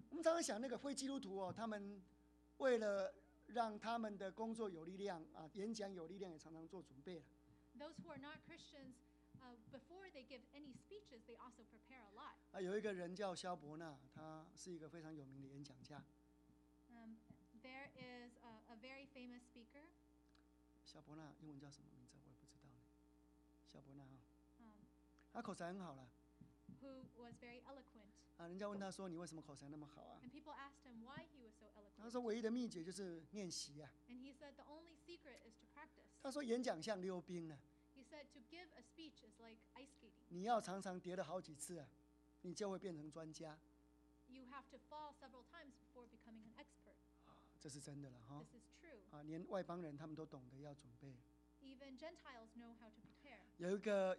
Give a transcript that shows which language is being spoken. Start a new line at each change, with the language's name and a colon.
Chinese: 我们常常想那个非基督徒他们为了让他们的工作有力量演讲有力量，也常常做准备了。
English: Those who are not Christians, before they give any speeches, they also prepare a lot.
Chinese: 有一个人叫萧伯纳，他是一个非常有名的演讲家。
English: There is a very famous speaker.
Chinese: 萧伯纳英文叫什么名字？我也不知道呢。萧伯纳他口才很好了。
English: Who was very eloquent?
Chinese: 人家问他说：“你为什么口才那么好啊？”
English: And people asked him why he was so eloquent.
Chinese: 他说：“唯一的秘诀就是练习啊。”
English: And he said the only secret is to practice.
Chinese: 他说：“演讲像溜冰呢。”
English: He said to give a speech is like ice skating.
Chinese: 你要常常跌了好几次你就会变成专家。
English: You have to fall several times before becoming an expert.
Chinese: 这是真的了哈。
English: This is true.
Chinese: 连外邦人他们都懂得要准备。
English: Even Gentiles know how to prepare.